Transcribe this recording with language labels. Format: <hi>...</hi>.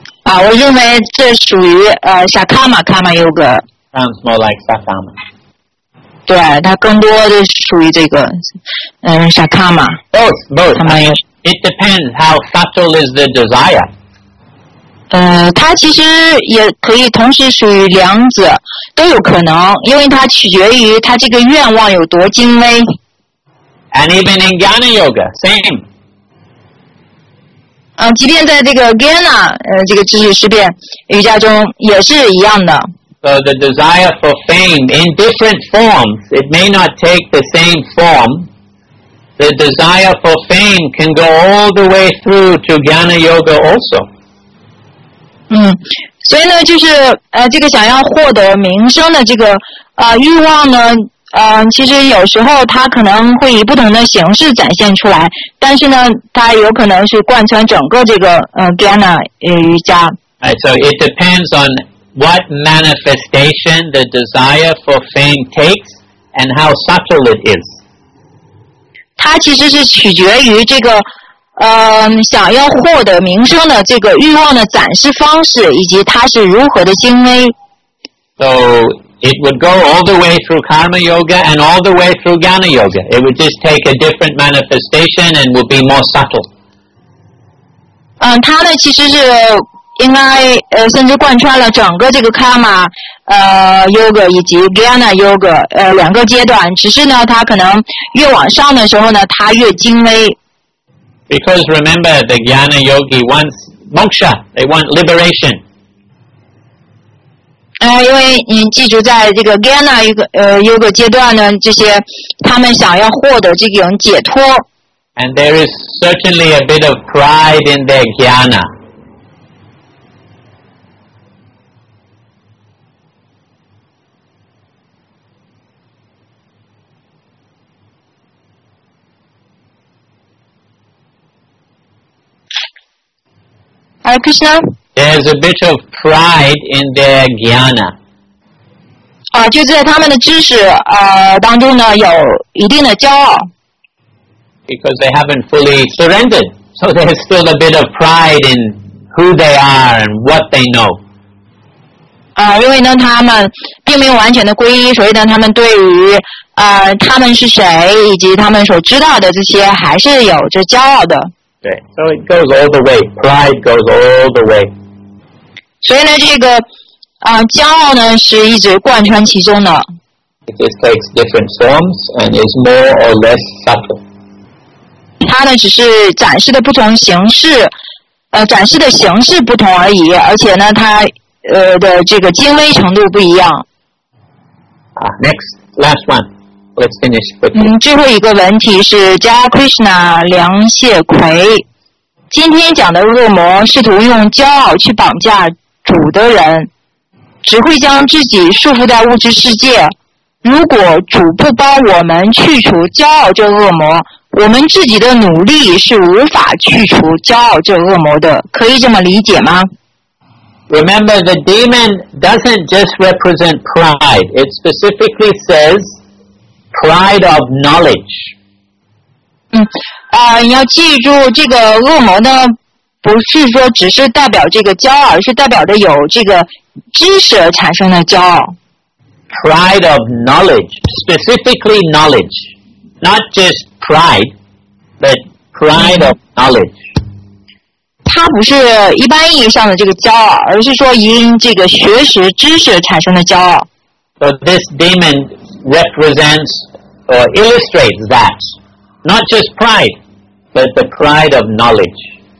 <zh>我认为这属于Sakama Karma Yoga</zh> <en>Sounds more like Sakama</en> <zh>对它更多的属于这个Sakama</zh> <en>Both It depends how subtle is the desire</en> <zh>它其实也可以同时属于两者都有可能因为它取决于它这个愿望有多精微</zh> <en>And even in Jnana Yoga Same</en> <zh>即便在这个 Jnana 这个知识识辨瑜伽中也是一样的</zh> <en>So the desire for fame in different forms it may not take the same form the desire for fame can go all the way through to Jnana Yoga also</en> <zh>所以呢就是这个想要获得名声的这个欲望呢其实有时候它可能会以不同的形式展现出来但是呢它有可能是贯穿整个这个Jnana瑜伽</zh> <en>right, So it depends on what manifestation the desire for fame takes and how subtle it is</en> <zh>它其实是取决于这个想要获得名声的这个欲望的展示方式以及它是如何的精微</zh> <en>SoIt would go all the way through Karma Yoga and all the way through Jnana Yoga. It would just take a different manifestation and would be more subtle.</en> <zh>它呢其实是应该甚至贯穿了整个这个 Karma Yoga 以及 Jnana Yoga 两个阶段。只是呢，它可能越往上的时候呢，它越精微。</zh> <en>Because remember, the Jnana Yogi wants moksha. They want liberation.</en> <zh>因为你记住在这个 Jnana Yoga 阶段呢这些他们想要获得这种解脱</zh> <en>And there is certainly a bit of pride in their Jnana Hare Krishna There's a bit of pride in their Jnana.</en> <zh>就在他们的知识当中呢有一定的骄傲。</zh> <en>Because they haven't fully surrendered. So there's still a bit of pride in who they are and what they know.</en> <zh>因为呢他们并没有完全的皈依所以呢他们对于他们是谁以及他们所知道的这些还是有着骄傲的。</zh> <en>对 so it goes all the way. Pride goes all the way.</en> <zh>所以呢这个骄傲呢是一直贯穿其中的。</zh> <en>It just takes different forms and is more or less subtle.</en> <zh>它呢只是展示的不同形式展示的形式不同而已而且呢它的这个精微程度不一样。</zh> <en>Next, last one. Let's finish quickly.</en> <zh>最后一个问题是加克里什纳梁谢奎今天讲的恶魔试图用骄傲去绑架主的人只会将自己束缚在物质世界如果主不帮我们去除骄傲这恶魔我们自己的努力是无法去除骄傲这恶魔的可以这么理解吗</zh> <en>Remember the demon doesn't just represent pride It specifically says pride of knowledge.</en> <zh>你要记住这个恶魔呢，不是说只是代表这个骄傲，而是代表着有这个知识产生的骄傲。</zh> <en>Pride of knowledge, specifically knowledge, not just pride, but pride of knowledge.</en> <zh>它不是一般意义上的这个骄傲，而是说因这个学识知识产生的骄傲。</zh> <en>So this demon represents or illustrates that, not just pride, but the pride of knowledge.</en>